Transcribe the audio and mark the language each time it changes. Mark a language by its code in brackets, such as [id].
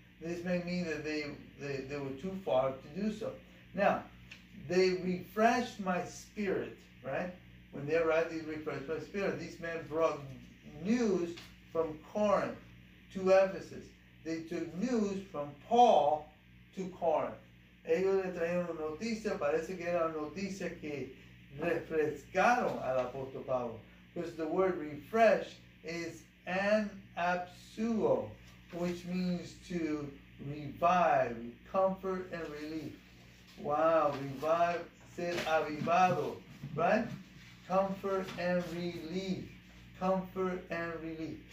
[en] This may mean that they were too far to do so. Now, they refreshed my spirit, right? When they arrived, they refreshed my spirit. These men brought news from Corinth to Ephesus. They took news from Paul to Corinth. [es] Ellos le trajeron noticias, parece que eran noticias que refrescaron al apóstol Pablo. [en] Because the word refresh is anapsuo, which means to revive, comfort, and relief. Wow, revive, [es] ser avivado, [en] right? Comfort and relief. Comfort and relief.